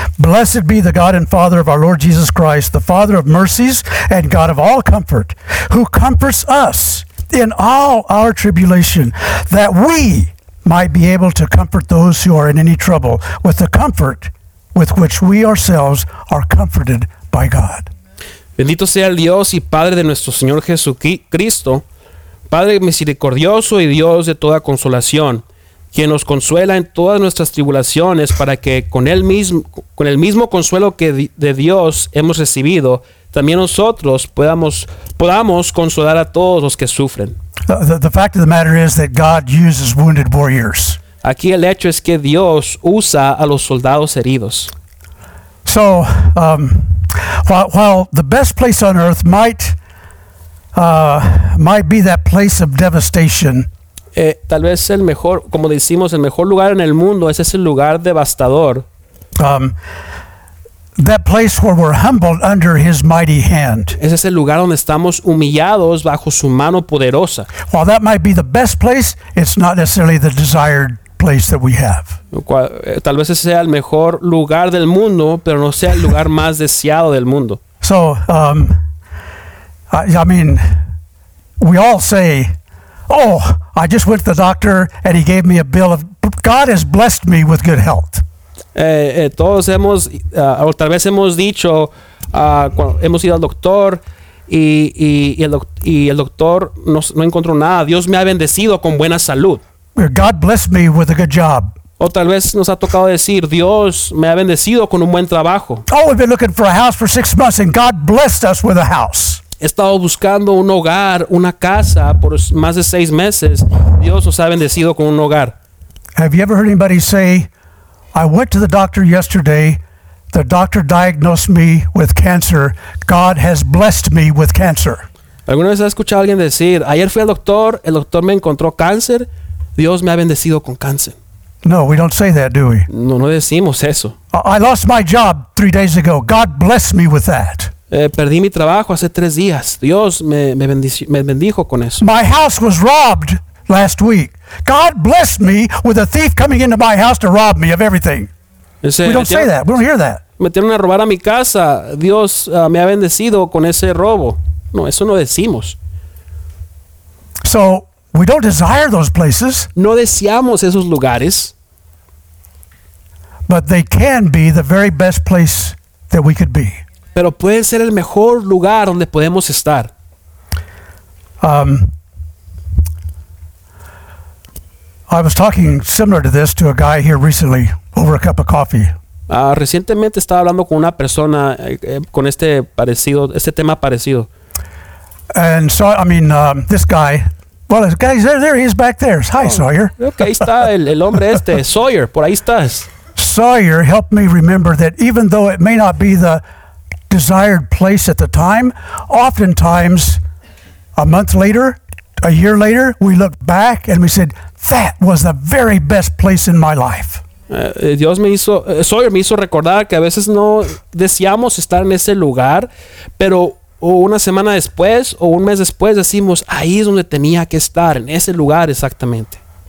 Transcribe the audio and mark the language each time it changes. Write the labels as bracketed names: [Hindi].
[English] Blessed be the God and Father of our Lord Jesus Christ, the Father of mercies and God of all comfort, who comforts us in all our tribulation, that we might be able to comfort those who are in any trouble with the comfort with which we ourselves are comforted by God. [Spanish] Bendito sea el Dios y Padre de nuestro Señor Jesucristo, Padre misericordioso y Dios de toda consolación, quien nos consuela en todas nuestras tribulaciones para que con el mismo consuelo que de Dios hemos recibido, también nosotros podamos consolar a todos los que sufren. [English] The fact of the matter is that God uses wounded warriors. [Spanish] Aquí el hecho es que Dios usa a los soldados heridos. [English] So, while the best place on earth might be that place of devastation. [Spanish] Tal vez el mejor, como decimos, el mejor lugar en el mundo es ese lugar devastador. [English] That place where we're humbled under His mighty hand. [Spanish] Ese es el lugar donde estamos humillados bajo su mano poderosa. [English] While that might be the best place, it's not necessarily the desired place that we have. [Spanish] Tal vez ese sea el mejor lugar del mundo, pero no sea el lugar más deseado del mundo. [English] So, I mean, we all say, oh, I just went to the doctor and he gave me a bill of, God has blessed me with good health. [Spanish] Todos hemos, o tal vez hemos dicho, hemos ido al doctor y el doctor no encontró nada. Dios me ha bendecido con buena salud. [English] God blessed me with a good job. [Spanish] O tal vez nos ha tocado decir, Dios me ha bendecido con un buen trabajo. [English] Oh, we've been looking for a house for 6 months and God blessed us with a house. [Spanish] He estado buscando un hogar, una casa, por más de 6 meses. Dios nos ha bendecido con un hogar. [English] Have you ever heard anybody say, I went to the doctor yesterday, the doctor diagnosed me with cancer, God has blessed me with cancer? [Spanish] ¿Alguna vez has escuchado a alguien decir, ayer fui al doctor, el doctor me encontró cáncer, Dios me ha bendecido con cáncer? [English] No, we don't say that, do we? [Spanish] No decimos eso. [English] I lost my job 3 days ago, God blessed me with that. [Spanish] Perdí mi trabajo hace 3 días. Dios me bendijo con eso. [English] My house was robbed last week. God blessed me with a thief coming into my house to rob me of everything. Say that. We don't hear that. [Spanish] Metieron a robar a mi casa. Dios me ha bendecido con ese robo. No, eso no decimos. [English] So, we don't desire those places. [Spanish] No deseamos esos lugares. [English] But they can be the very best place that we could be. [Spanish] Pero puede ser el mejor lugar donde podemos estar. [English] I was talking similar to this to a guy here recently over a cup of coffee. [Spanish] Recientemente estaba hablando con una persona con este tema parecido. [English] And so, I mean, this guy. Well, guys, there he is back there. Hi, oh, Sawyer. [Spanish] Okay, ahí está el hombre este, Sawyer. Por ahí estás. [English] Sawyer helped me remember that even though it may not be the desired place at the time, oftentimes a month later, a year later, we look back and we said, that was the very best place in my life. [Spanish] Dios me hizo, Sawyer me hizo recordar que a veces no deseamos estar en ese lugar, pero una semana después o un mes después decimos, ahí es donde tenía que estar, en ese lugar exactamente.